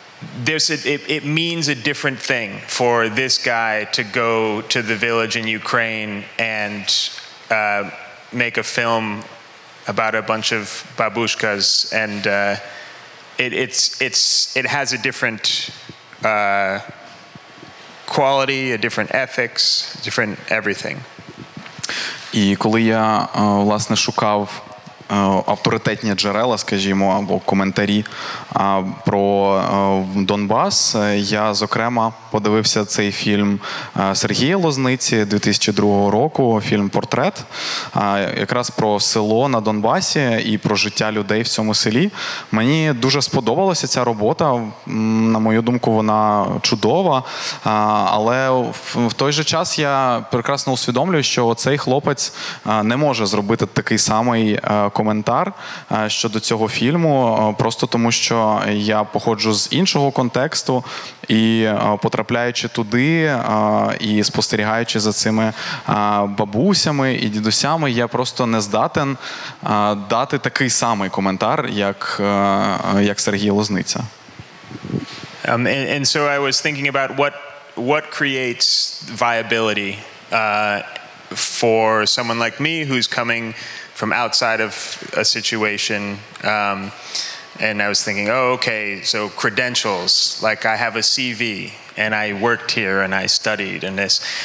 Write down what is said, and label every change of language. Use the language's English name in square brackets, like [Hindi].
[English] It means a different thing for this guy to go to the village in Ukraine and make a film about a bunch of babushkas, and it has a different quality, a different ethics, different everything. [Ukrainian] І коли я власне шукав авторитетні джерела, скажімо, або коментарі про Донбас, я, зокрема, подивився цей фільм Сергія Лозниці 2002 року, фільм «Портрет», якраз про село на Донбасі і про життя людей в цьому селі. Мені дуже сподобалася ця робота, на мою думку, вона чудова, але в той же час я прекрасно усвідомлюю, що цей хлопець не може зробити такий самий коментар щодо цього фільму, просто тому, що я походжу з іншого контексту і потрапляючи туди і спостерігаючи за цими бабусями і дідусями, я просто не здатен дати такий самий коментар, як Сергій Лозниця. [English] And so I was thinking about what creates viability for someone like me who's coming from outside of a situation, and I was thinking, oh, okay, so credentials, like I have a CV, and I worked here, and I studied, and this.